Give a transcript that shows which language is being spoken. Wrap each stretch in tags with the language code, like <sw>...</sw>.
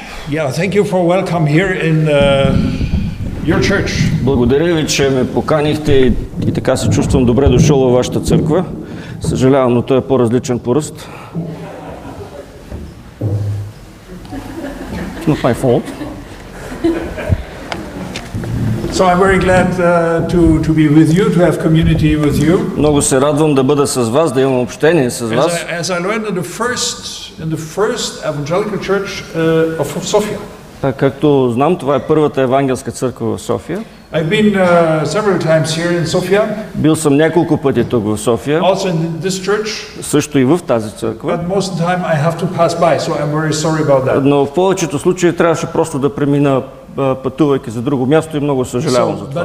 <en>Yeah, thank you for welcome here in your church.</en> <bg>Благодаря ви, че ме поканихте и така се чувствам добре дошъл във вашата църква. Съжалявам, но той е по-различен по ръст.</bg> <en>It's not my fault. So I'm very glad to be with you, to have community with you.</en> <bg>Много се радвам да бъда с вас, да имам общение с вас.</bg> <en>As I learned in the first evangelical church of Sofia.</en> <bg>Така както знам, това е първата евангелска църква в София.</bg> <en>I've been several times here in Sofia.</en> <bg>Бил съм няколко пъти тук в София.</bg> <en>Also in this church.</en> <bg>Също и в тази църква.</bg> <en>But most of the time I have to pass by, so I'm very sorry about that.</en> <bg>Но в повечето случаи трябваше просто да премина пътувайки за друго място и много съжалявам за това.</bg>